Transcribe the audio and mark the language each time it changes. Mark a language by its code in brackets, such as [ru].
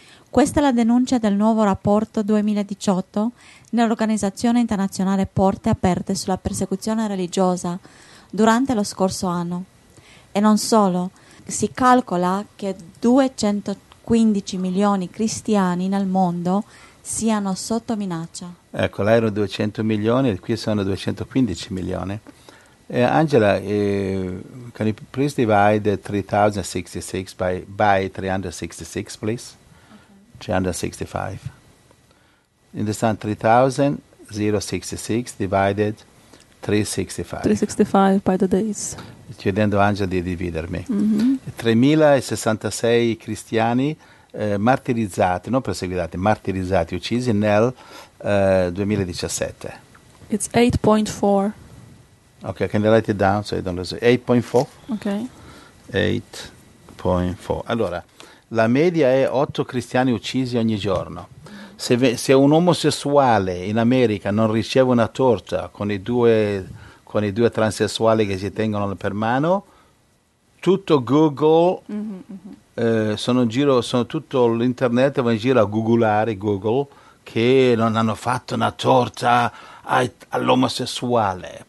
[it] Questa è la denuncia del nuovo rapporto 2018 nell'Organizzazione Internazionale Porte Aperte sulla persecuzione religiosa durante lo scorso anno. E non solo, si calcola che 215 milioni di cristiani nel mondo siano sotto minaccia. Ecco, là erano 200 milioni e qui sono 215 milioni. [en] Angela, can you please divide the 3066 by 366, please? 365. Understand? 3,066 divided 365. 365 by the days. [it] Chiedendo Angela di dividermi. Mm-hmm. 3,066 cristiani martirizzati, non perseguitati, martirizzati, uccisi nel 2017. [en] It's 8.4. Okay, can you write it down so I don't lose it? 8.4. Okay. 8.4. [it] Allora, la media è 8 cristiani uccisi ogni giorno. Se un omosessuale in America non riceve una torta con i due transessuali che si tengono per mano, tutto Google, sono tutto l'internet, va in giro a googolare Google che non hanno fatto una torta all'omosessuale.